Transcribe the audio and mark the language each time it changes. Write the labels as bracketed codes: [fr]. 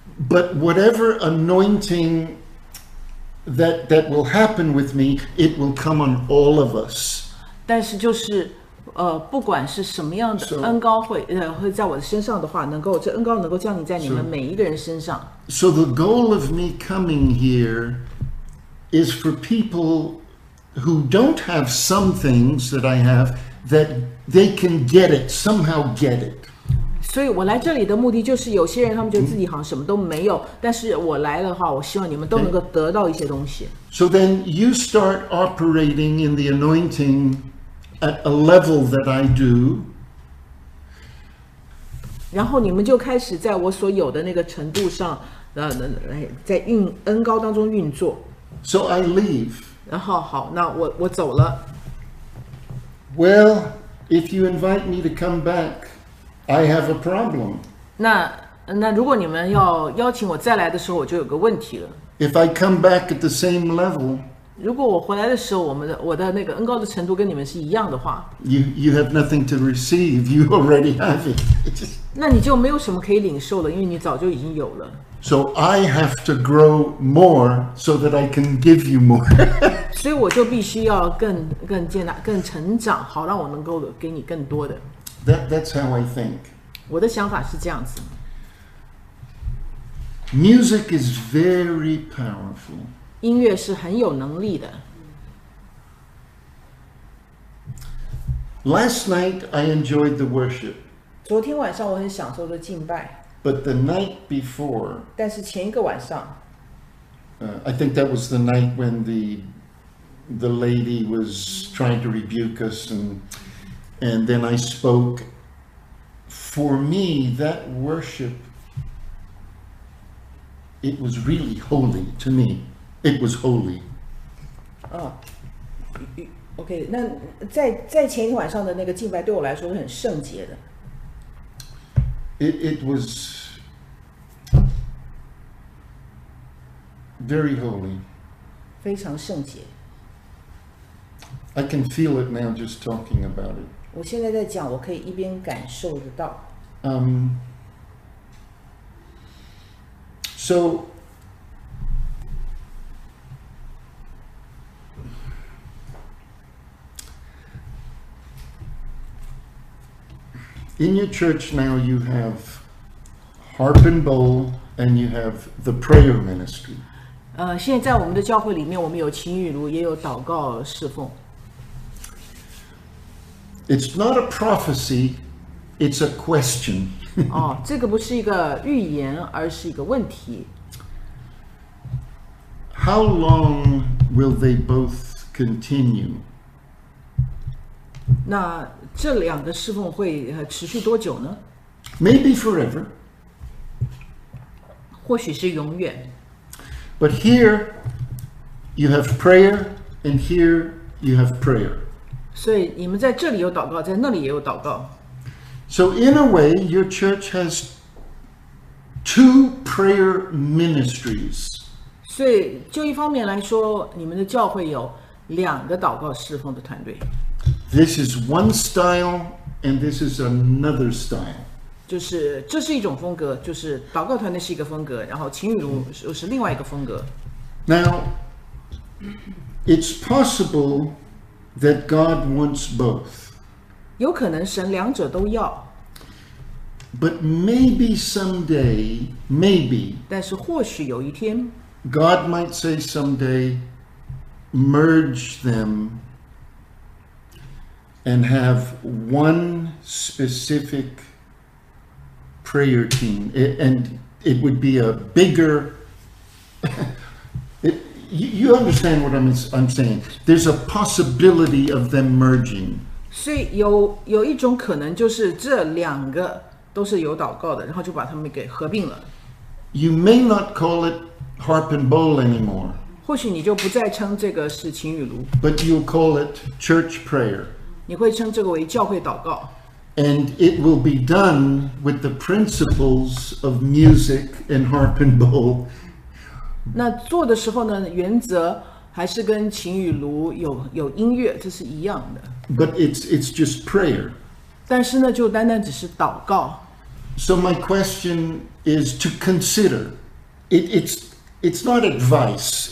[en] But whatever anointing that will happen with me, it will come on all of us. [zh] 但是就是不管是什么样的恩膏会在我的身上的话，能够这恩膏能够降临在你们每一个人身上。 [en] So the goal of me coming here is for people who don't have some things that I have. That they can get it, somehow get it. [zh] 所以我来这里的目的就是有些人他们觉得自己好像什么都没有，但是我来的话，我希望你们都能够得到一些东西。 [en] So then you start operating in the anointing at a level that I do. [zh] 然后你们就开始在我所有的那个程度上，在恩膏当中运作。 [en] So I leave. [zh] 然后好，那我走了。 [en] Well, if you invite me to come back, I have a problem. [zh] 那如果你们要邀请我再来的时候，我就有个问题了。 [en] If I come back at the same level, [zh] 如果我回来的时候，我的那个恩膏的程度跟你们是一样的话 [en] ，You have nothing to receive. You already have it. [zh] 那你就没有什么可以领受了，因为你早就已经有了。 [en] So I have to grow more so that I can give you more. [zh] 所以我就必须要更健达更成长，好让我能够给你更多的。 [en] That's how I think. [zh] 我的想法是这样子。 [en] Music is very powerful. [zh] 音乐是很有能力的。 [en] Last night I enjoyed the worship. [zh] 昨天晚上我很享受的敬拜。 [en] But the night before, [zh] 但是前一个晚上 [en] I think that was the night when the lady was trying to rebuke us, and then I spoke. For me, that worship, it was really holy to me. It was holy. [zh] Okay, 那在前一天晚上的那个敬拜对我来说是很圣洁的。 [en] It was. Very holy. [zh] 非常圣洁。 [en] I can feel it now just talking about it. [zh] 我现在在讲，我可以一边感受得到。 [en] So, in your church now you have harp and bowl and you have the prayer ministry. [zh] 现在在我们的教会里面，我们有琴与炉，也有祷告侍奉。 [en] It's not a prophecy, it's a question. [zh] 哦，这个不是一个预言，而是一个问题。 [en] How long will they both continue? [zh] 那这两个侍奉会持续多久呢？ [en] Maybe forever. [zh] 或许是永远。 [en] But here you have prayer, and here you have prayer. [zh] 所以你们在这里有祷告，在那里也有祷告。 [en] So in a way, your church has two prayer ministries. [zh] 所以就一方面来说，你们的教会有两个祷告侍奉的团队， [en] This is one style, and this is another style. [zh] 就是这是一种风格，就是祷告团队是一个风格，然后情侣屋又是另外一个风格。 [en] Now, it's possible that God wants both. [zh] 有可能神两者都要。 [en] But maybe someday, maybe, [zh] 但是或许有一天， [en] God might say someday, merge them and have one specific prayer team. And it would be a bigger. You understand what I'm saying. There's a possibility of them merging. [zh] 所以有一种可能，就是这两个都是有祷告的，然后就把他们给合并了。 [en] You may not call it Harp and Bowl anymore, [zh] 或许你就不再称这个是情侣炉， [en] but you'll call it church prayer. [zh] 你会称这个为教会祷告。 [en] And it will be done with the principles of music and harp and bowl. [zh] 那做的时候呢，原则还是跟情侣炉有音乐，这是一样的。 [en] But it's just prayer. [zh] 但是呢，就单单只是祷告。 [en] So my question is to consider. It's not advice.